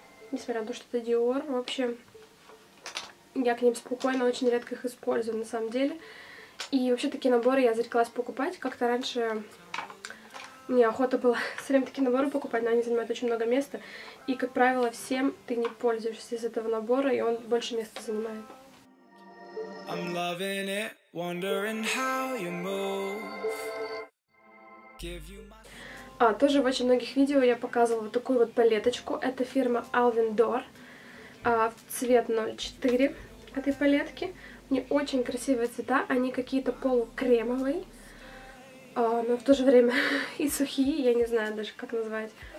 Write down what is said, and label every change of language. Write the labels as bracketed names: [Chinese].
[Russian] Несмотря на то, что это Dior. В общем, я к ним спокойно, очень редко их использую, на самом деле. И вообще, такие наборы я зареклась покупать. Как-то раньше мне охота была все время такие наборы покупать, но они занимают очень много места. И, как правило, всем ты не пользуешься из этого набора, и он больше места занимает. [English] I'm loving it, wondering how you move. Give you my... [Russian] тоже в очень многих видео я показывала вот такую вот палеточку. Это фирма Alvin Dor. Цвет 04 этой палетки. Мне очень красивые цвета. Они какие-то полукремовые. Но в то же время и сухие. Я не знаю даже, как назвать.